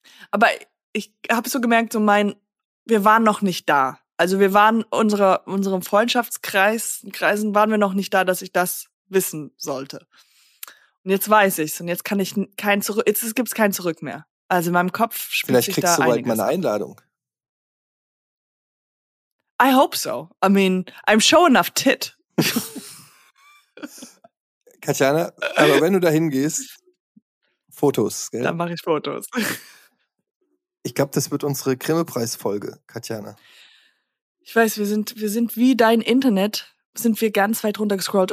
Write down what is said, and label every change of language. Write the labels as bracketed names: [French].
[German] Aber ich habe so gemerkt, so mein. Wir waren noch nicht da. Also wir waren unserem Freundschaftskreisen waren wir noch nicht da, dass ich das wissen sollte. Und jetzt weiß ich's und jetzt kann ich kein zurück. Jetzt gibt's kein Zurück mehr. Also in meinem Kopf spielt sich da vielleicht kriegst du bald meine Einladung. [English] I hope so. I mean, I'm show enough tit. [German] Katjana, aber wenn du da hingehst, Fotos, gell? Dann mache ich Fotos. Ich glaube, das wird unsere Krimi-Preis-Folge, Katjana. Ich weiß, wir sind wie dein Internet, sind wir ganz weit runtergescrollt.